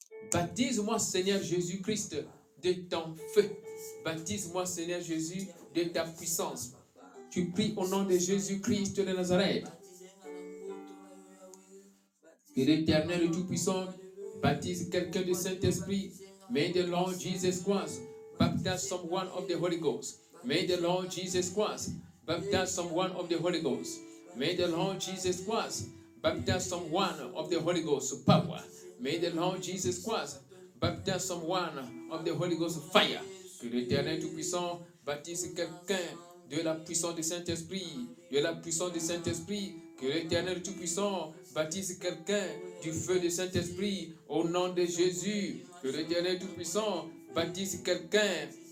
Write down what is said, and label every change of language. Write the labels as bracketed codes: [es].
[fr] Baptise-moi, Seigneur Jésus-Christ, de ton feu. Baptise-moi, Seigneur Jésus, de ta puissance. Tu pries au nom de Jésus-Christ de Nazareth. Que l'Éternel le Tout-Puissant baptise quelqu'un de Saint-Esprit. [en] May the Lord Jesus Christ baptize someone of the Holy Ghost. May the Lord Jesus Christ baptize someone of the Holy Ghost. May the Lord Jesus Christ baptize someone of the Holy Ghost power. May the Lord Jesus Christ baptize someone of the Holy Ghost fire. [fr] Que l'Éternel Tout-Puissant baptise quelqu'un de la puissance du Saint-Esprit. De la puissance du Saint-Esprit. Que l'Éternel Tout-Puissant baptise quelqu'un du feu du Saint-Esprit. Au nom de Jésus. Que l'Éternel Tout-Puissant baptise quelqu'un.